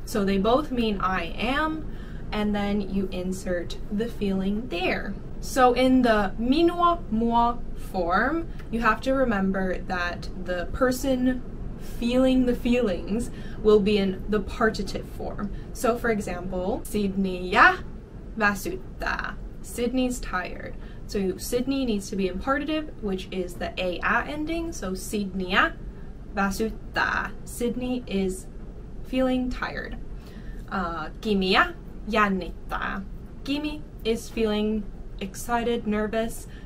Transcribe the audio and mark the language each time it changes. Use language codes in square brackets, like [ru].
[en] So they both mean I am, and then you insert the feeling there. So in the minua mua form, you have to remember that the person feeling the feelings will be in the partitive form. [fi] So for example, Sydneyä väsyttää. [en] Sydney's tired. So Sydney needs to be in partitive, which is the a ending. So Sydneyä väsyttää. Sydney is feeling tired. Kimiä jännittää. Kimi is feeling excited, nervous.